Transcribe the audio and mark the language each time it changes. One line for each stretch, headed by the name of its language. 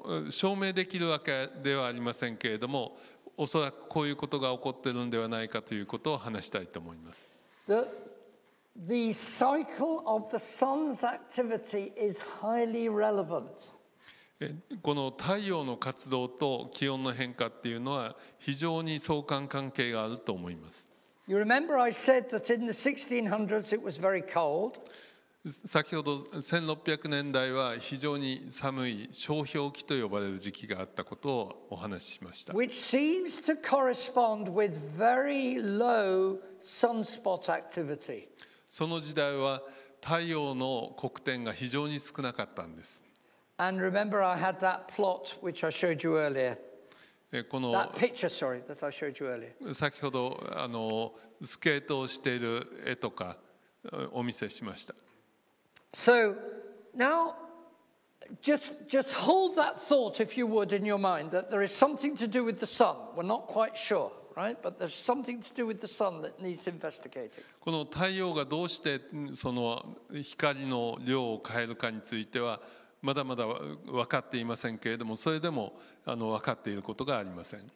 Japanese: 証明できるわけではありませんけれども、おそらくこういうことが起こっているのではないかということを話したいと思います。
English: The cycle of the sun's activity is highly relevant.
Japanese: この太陽の活動と気温の変化っていうのは非常に相関関係があると思います。
English: You remember I said that in the 1600s it was very cold.
Japanese: 先ほど1600年代は非常に寒い小氷期と呼ばれる時期があったことをお話ししました。
English: Which seems to correspond with very low sunspot activity.
Japanese: その時代は太陽の黒点が非常に少なかったんです。
English: And remember, I had that plot which I showed you earlier.
Japanese: この
English: that picture, sorry, that I showed you earlier.
Japanese: 先ほどスケートをしている絵とかお見せしました。
English: So now, just hold that thought, if you would, in your mind, that there is something to do with the sun. We're not quite sure, right? But there's something to do with the sun that needs investigating.
Japanese: この太陽がどうしてその光の量を変えるかについてはまだまだ分かっていませんけれども、それでも分かっていることがありません。